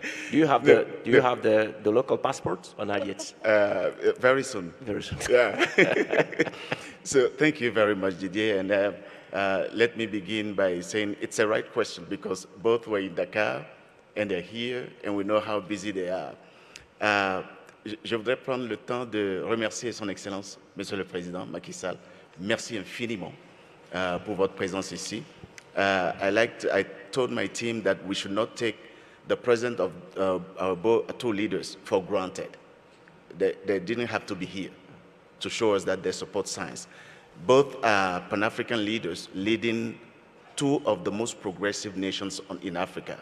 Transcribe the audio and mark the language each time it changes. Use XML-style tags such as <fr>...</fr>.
<en>Do you have the local passport or not yet? Very soon. Very soon. Yeah. So thank you very much, Didier. And let me begin by saying it's a right question because both were in Dakar and they're here and we know how busy they are.</en> <fr>Je voudrais prendre le temps de remercier Son Excellence, Monsieur le Président Macky Sall. Merci infiniment pour votre présence ici.</fr> <en>I told my team that we should not take the presence of our two leaders for granted. They didn't have to be here to show us that they support science. Both are Pan-African leaders leading two of the most progressive nations in Africa.</en>